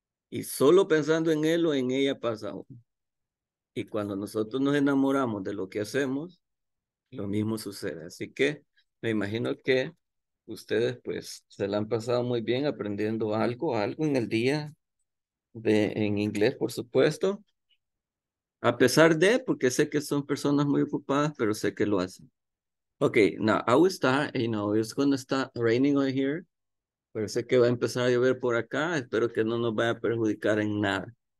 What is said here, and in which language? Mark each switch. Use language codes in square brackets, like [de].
[es] Y solo pensando en él o en ella pasa uno. Y cuando nosotros nos enamoramos de lo que hacemos, lo mismo sucede. Así que me imagino que ustedes pues se la han pasado muy bien aprendiendo algo, algo en el día de, en inglés, por supuesto. A pesar de, porque sé que son personas muy ocupadas, pero sé que lo hacen. [en] Okay, now I will start, you know, it's going to start raining over here. [es] Pero sé que va a empezar a llover por acá. Espero que no nos vaya a perjudicar en nada.